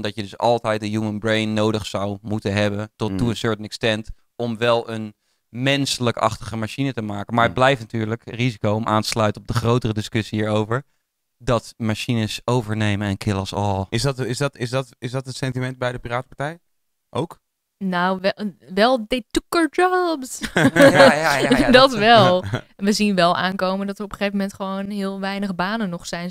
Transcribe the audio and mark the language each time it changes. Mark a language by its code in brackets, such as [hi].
[nl] dat je dus altijd een [en] human brain [nl] nodig zou moeten hebben. [en] To a certain extent. [nl] Om wel een... menselijkachtige machine te maken. Maar het blijft natuurlijk risico om aan te sluiten op de grotere discussie hierover. Dat machines overnemen en [en] kill us all. [nl] Is dat het sentiment bij de Piratenpartij? Ook? Nou, wel, [en] they took our jobs. [nl] Ja. Dat wel. We zien wel aankomen dat er op een gegeven moment gewoon heel weinig banen nog zijn.